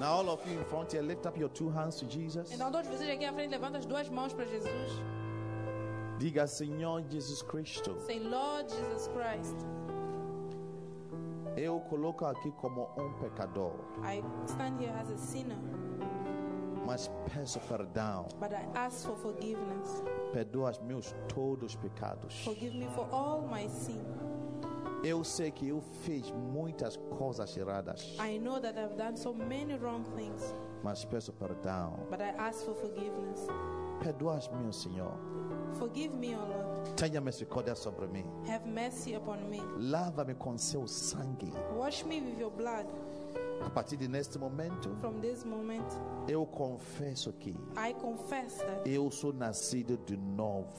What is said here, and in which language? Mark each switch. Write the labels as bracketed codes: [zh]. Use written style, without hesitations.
[en] Now all of you in front here, lift up your two hands to Jesus. [pt] Então todos vocês aqui à frente, levanta as duas mãos para Jesus. Diga, Senhor Jesus Cristo. [en] Say, Lord Jesus Christ. [pt] Eu coloco aqui como pecador. [en] I stand here as a sinner. [pt] mas peço perdão. [en] But I ask for forgiveness. [pt] Perdoa os meus todos pecados. [en] Forgive me for all my sin. [pt] Eu sei que eu fiz muitas coisas erradas. [en] I know that I've done so many wrong things. [pt] Mas peço perdão. [en] But I ask for forgiveness. [pt] Perdoa-me, Senhor. [en] Forgive me, O Lord. [pt] Tenha misericórdia sobre mim. [en] Have mercy upon me. [pt] Lava-me com seu sangue. [en] Wash me with your blood. [pt] A partir de neste momento, [en] from this moment, [pt] eu confesso que [en] I confess that [pt] eu sou nascido de novo.